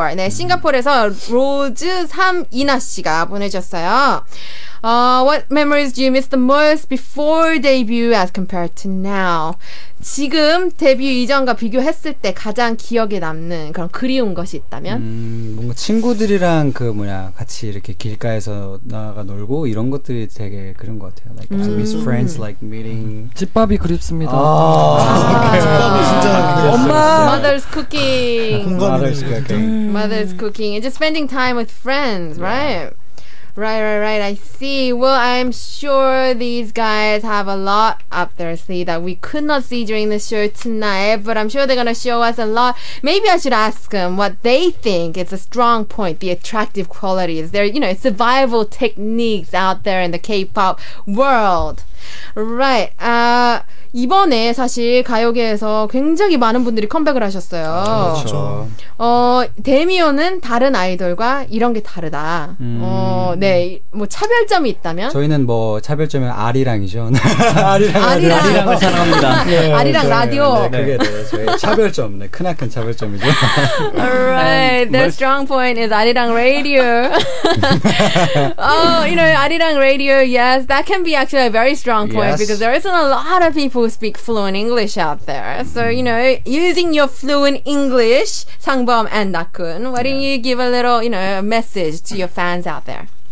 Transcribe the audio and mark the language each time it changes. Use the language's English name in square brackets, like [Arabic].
[Korean] 네, 싱가포르에서 로즈3이나 씨가 보내줬어요. [English] What memories do you miss the most before debut as compared to now? [Korean] 지금 데뷔 이전과 비교했을 때 가장 기억에 남는 그런 그리운 것이 있다면? 뭔가 친구들이랑 그 뭐냐 같이 이렇게 길가에서 나가 놀고 이런 것들이 되게 그런 것 같아요. [English] Like I miss friends, like meeting. [Korean] 집밥이 그립습니다. 집밥이 진짜 그립습니다. 엄마, [English] mother's cooking. mother's cooking. mother's cooking. It's just spending time with friends, right? Yeah. Right. I see. Well, I'm sure these guys have a lot up their sleeve that we could not see during the show tonight, but I'm sure they're going to show us a lot. Maybe I should ask them what they think is a strong point, the attractive qualities, their, you know, survival techniques out there in the K-pop world. Right. [Korean] 이번에 사실 가요계에서 굉장히 많은 분들이 컴백을 하셨어요. 그렇죠. 데미온은 다른 아이돌과 이런 게 다르다. 네, 뭐 차별점이 있다면? 저희는 뭐 차별점이 아리랑이죠. 아리랑을 사랑합니다. 네, 아리랑 저희, 라디오. 네, 그게 저희 차별점, 네, 크나큰 차별점이죠. [English] Alright, their strong point is 아리랑 라디오. you know, 아리랑 라디오, yes, that can be actually a very strong point because there isn't a lot of people who speak fluent English out there. So, you know, using your fluent English, Sangbom and Nakun, why don't you give a little, you know, a message to your fans out there?